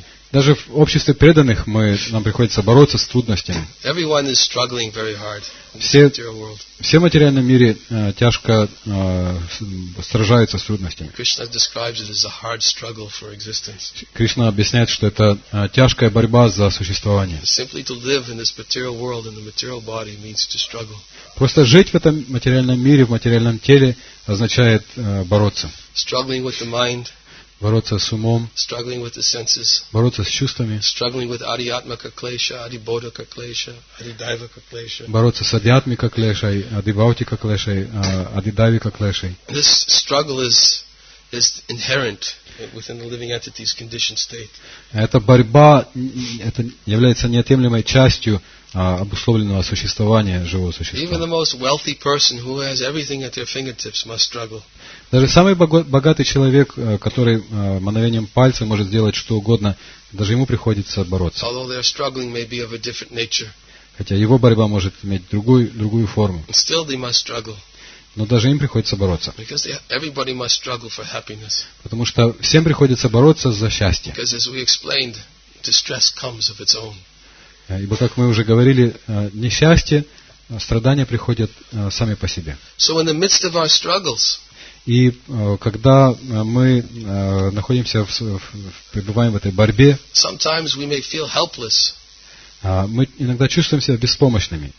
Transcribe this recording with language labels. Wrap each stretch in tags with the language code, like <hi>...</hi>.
<ru>Даже в обществе преданных нам приходится бороться с трудностями.</ru> <en>Everyone is struggling very hard in the material world.</en> <ru>Все в материальном мире тяжко сражаются с трудностями.</ru> <en>Krishna describes it as a hard struggle for existence.</en> <ru>Кришна объясняет, что это тяжкая борьба за существование.</ru> <en>Simply to live in this material world in the material body means to struggle.</en> <ru>Просто жить в этом материальном мире, в материальном теле, означает бороться.</ru> <en>Struggling with the mind.</en> <ru>Бороться с умом,</ru> <en>struggling with the senses,</en> <ru>бороться с чувствами,</ru> <en>struggling with adhyatmika klesha, adhibodhika klesha, adhidaivika klesha,</en> <ru>бороться с адиатмика клешей, адибаутика клешей, адидаивика клешей.</ru> <en>This struggle is inherent within the living entity's conditioned state.</en> <ru>Эта борьба это является неотъемлемой частью обусловленного существования живого существа.</ru> <en>Even the most wealthy person who has everything at their fingertips must struggle.</en> <ru>Даже самый богатый человек, который мановением пальца может сделать что угодно, даже ему приходится бороться.</ru> <en>Although their struggling may be of a different nature.</en> <ru>Хотя его борьба может иметь другую форму.</ru> <en>Still they must struggle.</en> <ru>Но даже им приходится бороться.</ru> <en>Because everybody must struggle for happiness.</en> <ru>Потому что всем приходится бороться за счастье.</ru> <en>Because as we explained, distress comes of its own.</en> <ru>Ибо, как мы уже говорили, несчастье, страдания приходят сами по себе.</ru> <en>So in the midst of our struggles,</en> <ru>и когда мы находимся пребываем в этой борьбе,</ru> <en>sometimes we may feel helpless.</en> <ru>Мы иногда чувствуем себя беспомощными.</ru>